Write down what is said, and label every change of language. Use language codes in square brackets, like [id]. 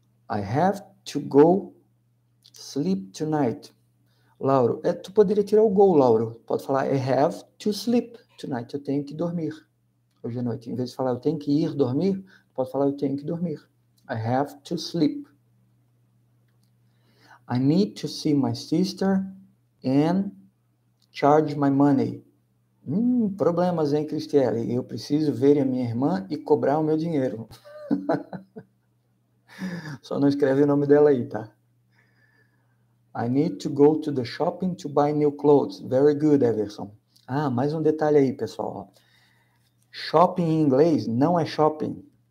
[en] I have to go sleep tonight. [pt] Lauro, tu poderia tirar o go, Lauro. Pode falar, [en] I have to sleep tonight. [pt] Eu tenho que dormir hoje à noite. Em vez de falar, eu tenho que ir dormir, pode falar, eu tenho que dormir. [en] I have to sleep. I need to see my sister and charge my money. [pt] Problemas, hein, Cristiele? Eu preciso ver a minha irmã e cobrar o meu dinheiro. Só não escreve o nome dela aí, tá? [en] I need to go to the shopping to buy new clothes. Very good, Everson. [pt] Ah, mais um detalhe aí, pessoal. Shopping em inglês não é shopping.